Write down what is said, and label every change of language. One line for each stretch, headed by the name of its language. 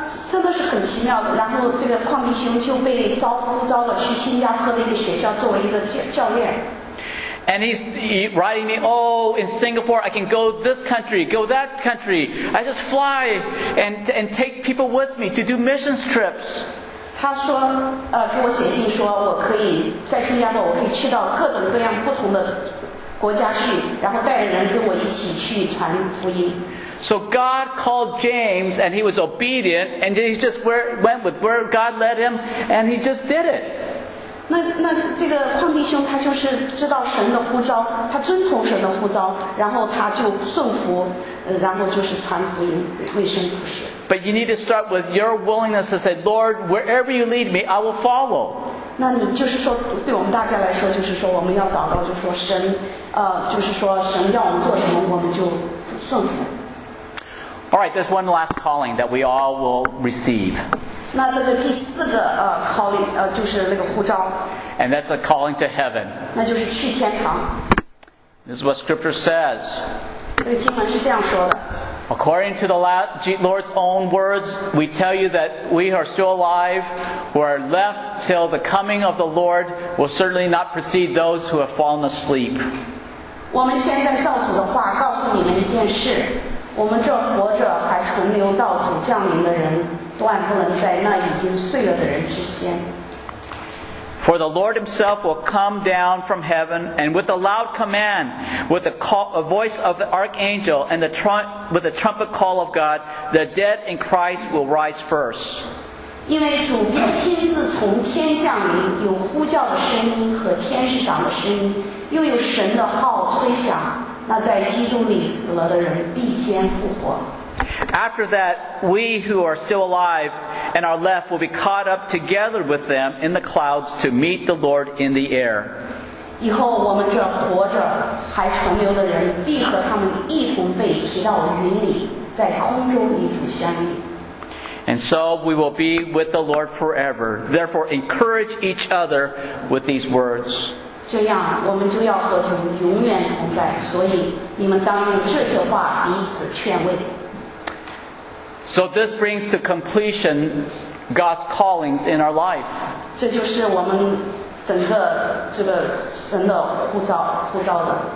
Chinese: 真的是很奇妙的。然后这个邝弟兄就被呼召了去新加坡的一个学校作为一个教练。
English: And he's writing me, oh, in Singapore, I can go this country, go that country. I just fly and take people with me to do missions trips.
Chinese: 他说，给我写信说，我可以在新加坡，我可以去到各种各样不同的国家去，然后带着人跟我一起去传福音。
English: So God called James and he was obedient and he just went with where God led him and he just did it.
Chinese: 那这个邝弟兄他就是知道神的呼召，他遵从神的呼召，然后他就顺服，然后就是传福音，为神服事。
English: But you need to start with your willingness to say, Lord, wherever you lead me, I will follow.
Chinese: 那你就是说，对我们大家来说，就是说我们要祷告，就是说神，就是说神要我们做什么，我们就顺服。
English: All right, there's one last calling that we all will receive.
Chinese: 那这个第四个calling, 就是那个呼召。
English: And that's a calling to heaven.
Chinese: 那就是去天堂。
English: This is what scripture says.
Chinese: 这个经文是这样说的。
English: According to the Lord's own words, we tell you that we are still alive, who are left till the coming of the Lord will certainly not precede those who have fallen asleep.
Chinese: 我们现在照主的话告诉你们一件事，我们这活着还存留到主降临的人，断不能在那已经睡了的人之先。
English: For the Lord himself will come down from heaven, and with a loud command, with the call, a voice of the archangel, and with the trumpet call of God, the dead in Christ will rise first.
Chinese: 因为主必亲自从天降临，有呼叫的声音和天使长的声音，又有神的号吹响，那在基督里死了的人必先复活。
English: After that, we who are still alive and are left will be caught up together with them in the clouds to meet the Lord in the air.
Chinese: 以后我们这活着还存留的人必和他们一同被提到云里，在空中与主相遇。
English: And so we will be with the Lord forever. Therefore, encourage each other with these words.
Chinese: 这样我们就要和主永远同在，所以你们当用这些话彼此劝慰。
English: So this brings to completion God's callings in our life.
Chinese: 这就是我们整个这个神的呼召的。